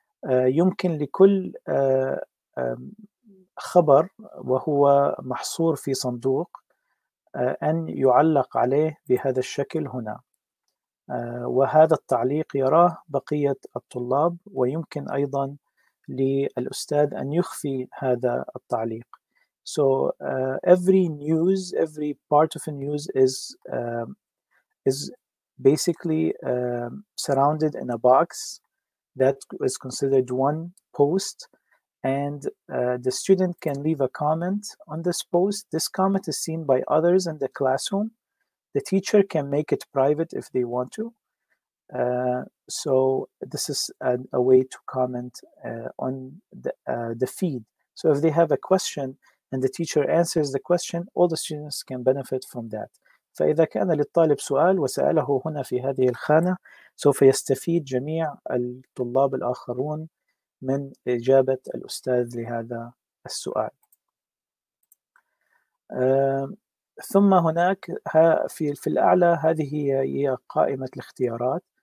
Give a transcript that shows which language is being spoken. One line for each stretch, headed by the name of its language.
Arabic: يمكن لكل خبر وهو محصور في صندوق أن يعلق عليه بهذا الشكل هنا, وهذا التعليق يراه بقية الطلاب, ويمكن أيضا للأستاذ أن يخفي هذا التعليق.
English: So every news, every part of a news is basically surrounded in a box that is considered one post, and the student can leave a comment on this post. This comment is seen by others in the classroom. The teacher can make it private if they want to, So this is a way to comment on the feed. So if they have a question and the teacher answers the question, all the students can benefit from that.
Arabic: فإذا كان للطالب سؤال وسأله هنا في هذه الخانة سوف يستفيد جميع الطلاب الآخرون من إجابة الأستاذ لهذا السؤال. ثم هناك في الأعلى هذه هي قائمة الاختيارات.